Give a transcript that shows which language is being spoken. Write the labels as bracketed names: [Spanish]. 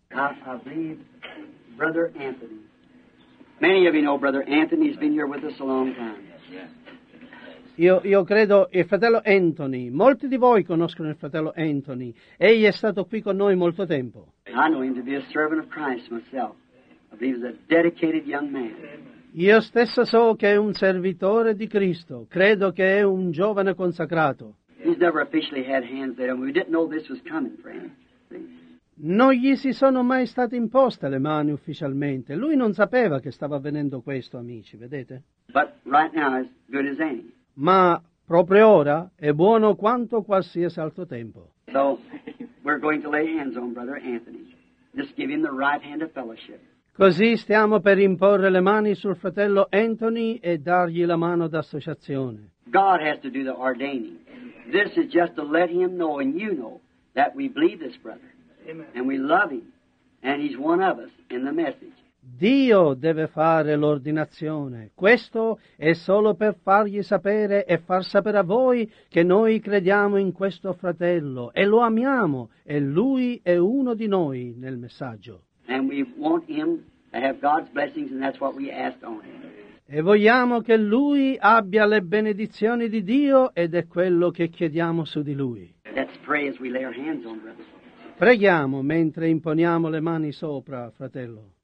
[English] I believe Brother Anthony. Many of you know Brother Anthony. He's been here with us a long time. [Italian] Io credo il fratello Anthony. Molti di voi conoscono il fratello Anthony. Egli è stato qui con noi molto tempo. [English] I know him to be a servant of Christ myself. I believe he's a dedicated young man. [Italian] Io stesso so che è un servitore di Cristo. Credo che è un giovane consacrato. [English] He's never officially had hands there, and we didn't know this was coming, friend. [Italian] Non gli si sono mai state imposte le mani ufficialmente. Lui non sapeva che stava avvenendo questo, amici, vedete? [English] But right now as good as any. [Italian] Ma proprio ora è buono quanto qualsiasi altro tempo. [English] So, we're going to lay hands on Brother Anthony. Just give him the right hand of fellowship. [Italian] Così stiamo per imporre le mani sul fratello Anthony e dargli la mano d'associazione. [English] God has to do the ordaining. This is just to let him know and you know that we believe this brother. Amen. And we love him. And he's one of us in the message. [Italian] Dio deve fare l'ordinazione. Questo è solo per fargli sapere e far sapere a voi che noi crediamo in questo fratello e lo amiamo e lui è uno di noi nel messaggio. [English] And we want him to have God's blessings, and that's what we asked on him. [Italian] E vogliamo che lui abbia le benedizioni di Dio ed è quello che chiediamo su di lui. [English] Let's pray as we lay our hands on brother. [Italian] Preghiamo mentre imponiamo le mani sopra, fratello.